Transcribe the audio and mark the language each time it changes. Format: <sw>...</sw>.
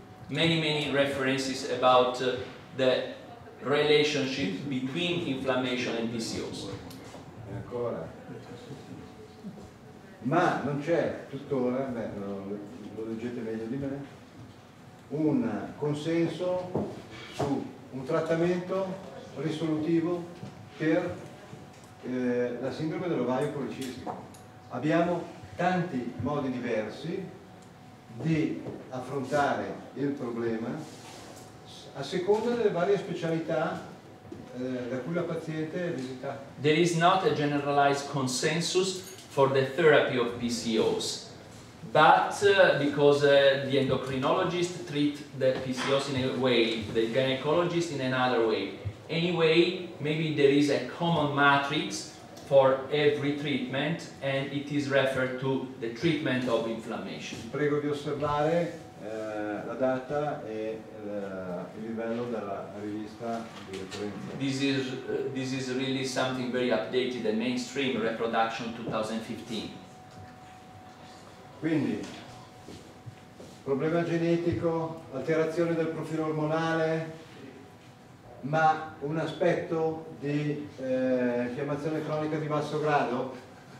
<en>many references about the relationship between inflammation and PCOS.</en> <it>E ancora. Ma non c'è tuttora, lo leggete meglio di me, un consenso su un trattamento risolutivo per la sindrome dell'ovaio policistico. Abbiamo tanti modi diversi di affrontare il problema a seconda delle varie specialità da cui la paziente è visitata.</it> <en>There is not a generalized consensus for the therapy of PCOs. But because the endocrinologists treat the PCOs in a way, the gynecologists in another way. Anyway, maybe there is a common matrix for every treatment, and it is referred to the treatment of inflammation.</en> <it>Prego di osservare la data e il livello della rivista di referenza.</it> <en>This is really something very updated, the mainstream reproduction 2015.</en> <it>Quindi, problema genetico, alterazione del profilo ormonale, ma un aspetto di infiammazione cronica di basso grado?</it>